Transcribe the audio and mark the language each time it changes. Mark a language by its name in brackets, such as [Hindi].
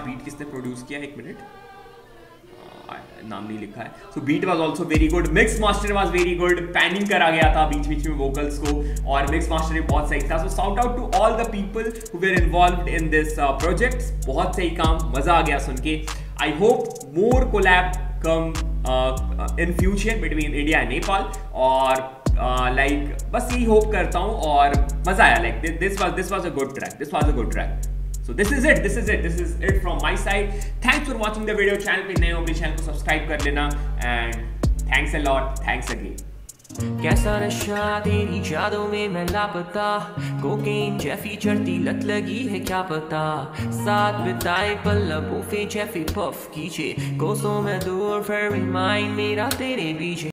[Hindi] Beat किसने produce किया, एक मिनट, नाम नहीं लिखा है, [English] so beat was also very good, mix master was very good, [Hindi] panning करा गया था बीच बीच में वोकल्स को, और मिक्स मास्टर भी बहुत सही था, [English] so shout out to all the people who were involved in this project, [Hindi] बहुत सही काम, मजा आ गया सुन के। [English] I hope more collab come in future between India and Nepal, or like [Hindi] बस यही hope करता हूँ, [English] और मजा आया, like this was a good track. So this is it from my side. Thanks for watching the video channel, [Hindi] पे नए हो मेरे channel को subscribe कर लेना, [English] and thanks a lot, thanks again. [Hindi] कैसा नशा तेरी जादू में मैं लापता, कोकेन जैफी चढ़ती लत लगी है क्या पता, साथ बिताए पल लबों पे जैफी पफ कीजिए, कोसों में दूर फिर भी माइंड मेरा तेरे पीछे।